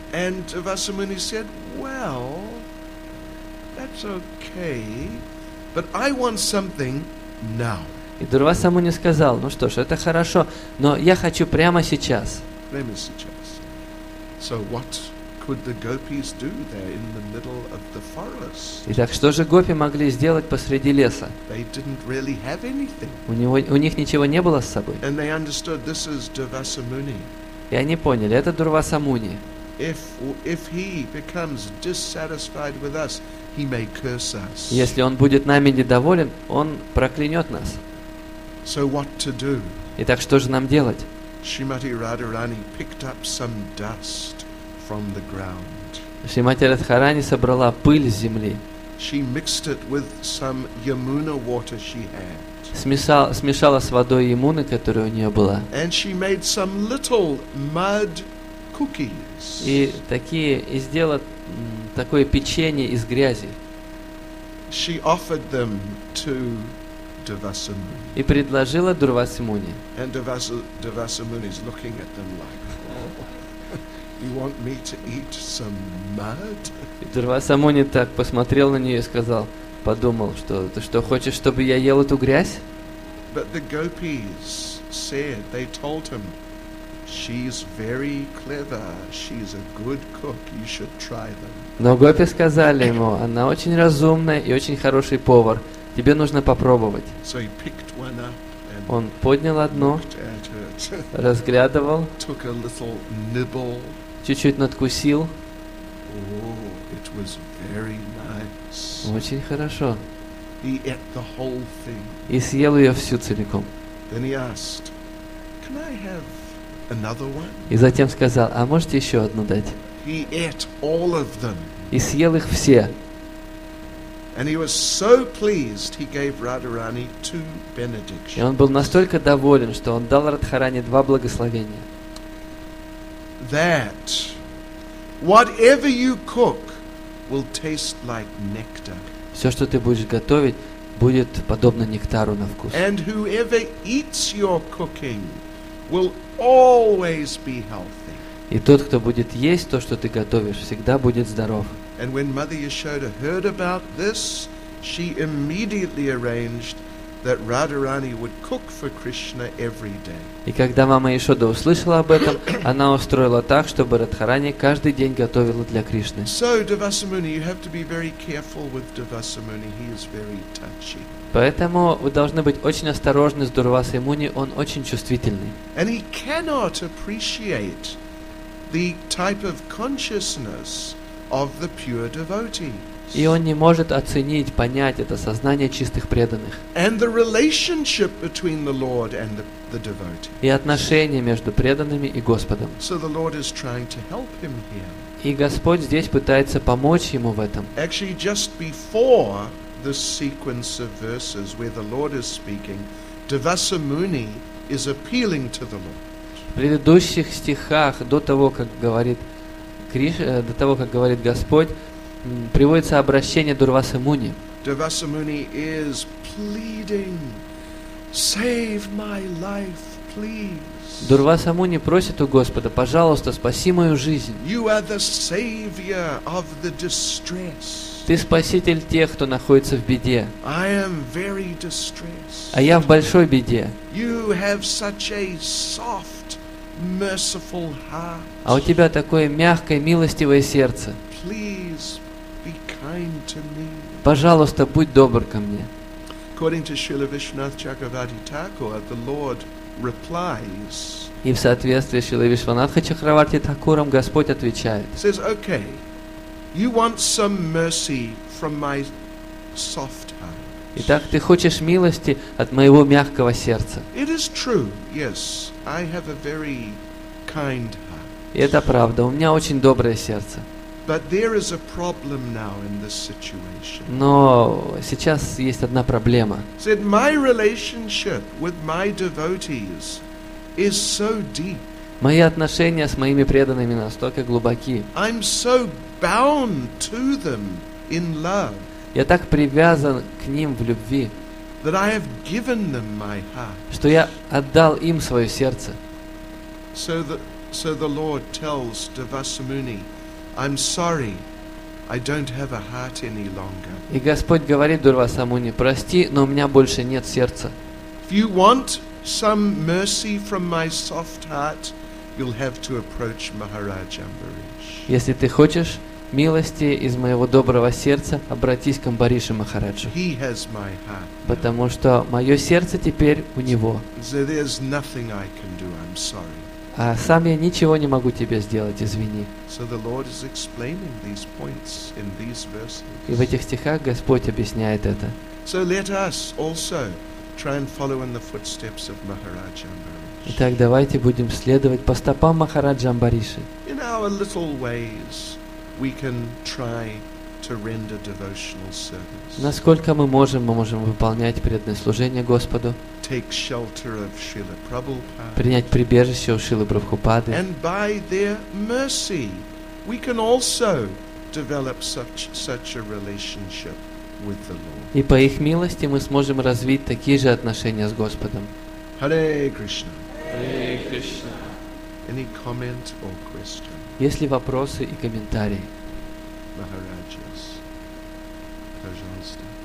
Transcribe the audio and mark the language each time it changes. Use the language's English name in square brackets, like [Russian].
[English] And Vasumuni said, "Well, that's okay, but I want something now." [Russian] И Дурвасамуни сказал: "Ну что ж, это хорошо, но я хочу прямо сейчас." Прямо сейчас. [English] So what could the gopis do there in the middle of the forest? [Russian] Итак, что же гопи могли сделать посреди леса? [English] They didn't really have anything. [Russian] У них ничего не было с собой. [English] And they understood this is Dvasamuni. [Russian] И они поняли, это Дурвасамуни. [English] If he becomes dissatisfied with us, he may curse us. [Russian] Если он будет нами недоволен, он проклянет нас. [English] So what to do? [Russian] Итак, что же нам делать? [English] Shrimati Radharani picked up some dust from the ground. [Russian] Шримати Радхарани собрала пыль с земли. [English] She mixed it with some Yamuna water she had. [Russian] Смешала с водой Ямуны, которая у нее была. [English] And she made some little mud cookies. [Russian] И сделала такое печенье из грязи. [English] She offered them to Devasamuni. [Russian] И предложила Дурвасамуни. [English] And Devasamuni is looking at them like, "Oh, you want me to eat some mud?" [Russian] Дурвасамуни так посмотрел на нее и сказал: подумал, что ты что, хочешь, чтобы я ел эту грязь? [English] But the gopis said, they told him, she's very clever, she's a good cook, you should try them. [Russian] Но гопи сказали ему, она очень разумная и очень хороший повар, тебе нужно попробовать. [English] So he picked one up. [Russian] Он поднял одно, разглядывал, [English] took a little nibble, [Russian] чуть-чуть надкусил. [English] Oh, it was very nice. [Russian] Очень хорошо. [English] He ate the whole thing. [Russian] И съел ее всю целиком. [English] Then he asked, "Can I have another one?" [Russian] И затем сказал, а можете еще одну дать? [English] He ate all of them. [Russian] И съел их все. [English] And he was so pleased, he gave Radharani two benedictions. [Russian] И он был настолько доволен, что он дал Радхарани два благословения. [English] That whatever you cook will taste like nectar. [Russian] Все, что ты будешь готовить, будет подобно нектару на вкус. [English] And whoever eats your cooking will always be healthy. [Russian] И тот, кто будет есть то, что ты готовишь, всегда будет здоров. [English] And when Mother Yashoda heard about this, she immediately arranged that Radharani would cook for Krishna every day. [Russian] И когда мама Яшода услышала об этом, она устроила так, чтобы Радхарани каждый день готовила для Кришны. [English] So Devasamuni, you have to be very careful with Devasamuni. He is very touchy. [Russian] Поэтому вы должны быть очень осторожны с Дурвасой Муни. Он очень чувствительный. [English] And he cannot appreciate the type of consciousness of the pure devotees. [Russian] И он не может оценить, понять это сознание чистых преданных. [English] And the relationship between the Lord and the devotees. [Russian] И отношения между преданными и Господом. [English] So the Lord is trying to help him here. [Russian] И Господь здесь пытается помочь ему в этом. [English] Actually, just before the sequence of verses where the Lord is speaking, Devasamuni is appealing to the Lord. [Russian] В предыдущих стихах, до того, как говорит до того, как говорит Господь, приводится обращение Дурвасы Муни. [English] Devasa Muni is pleading, save my life, please. [Russian] Дурваса Муни просит у Господа, пожалуйста, спаси мою жизнь. [English] You are the savior of the distress. [Russian] Ты спаситель тех, кто находится в беде. [English] I am very distressed. [Russian] А я в большой беде. [English] You have such a soft, merciful heart. [Russian] А у тебя такое мягкое, милостивое сердце. [English] Please be kind to me. [Russian] Пожалуйста, будь добр ко мне. [English] According to Srila Vishwanath Chakravarti Thakura, the Lord replies. [Russian] И в соответствии с Шрила Вишванатха Чакраварти Такуром Господь отвечает. [English] Says, okay, you want some mercy from my soft heart. [Russian] Итак, ты хочешь милости от моего мягкого сердца. [English] It is true, yes, I have a very kind heart. [Russian] Это правда, у меня очень доброе сердце. [English] But there is a problem now in this situation. [Russian] Но сейчас есть одна проблема. [English] Said, my relationship with my devotees is so deep. [Russian] Мои отношения с моими преданными настолько глубоки. [English] I'm so bound to them in love. [Russian] Я так привязан к ним в любви, [English] that I have given them my heart. [Russian] Что я отдал им свое сердце. [English] So the Lord tells Devasamuni, I'm sorry, I don't have a heart any longer. [Russian] И Господь говорит Дурвасамуни, прости, но у меня больше нет сердца. [English] If you want some mercy from my soft heart, you'll have to approach Maharaj Ambarish. [Russian] Если ты хочешь милости из моего доброго сердца, обратись к Амбаришу Махараджу. [English] He has my heart. [Russian] Потому что мое сердце теперь у него. [English] So there's nothing I can do, I'm sorry. [Russian] А сам я ничего не могу тебе сделать, извини. [English] So the Lord is explaining these points in these verses. [Russian] И в этих стихах Господь объясняет это. [English] So let us also try and follow in the footsteps of Maharaj Ambarish. [Russian] Итак, давайте будем следовать по стопам Махараджа Амбариши. [English] In our little ways, we can try to render devotional service. [Russian] Насколько мы можем выполнять преданное служение Господу. [English] Take shelter of Srila Prabhupada. [Russian] Принять прибежище у Шрилы Прабхупады. [English] And by their mercy, we can also develop such a relationship with the Lord. [Russian] И по их милости мы сможем развить такие же отношения с Господом. [English] Hare Krishna. Hare Krishna. Any comment or question? [Russian] Есть ли вопросы и комментарии? Махараджас, пожалуйста.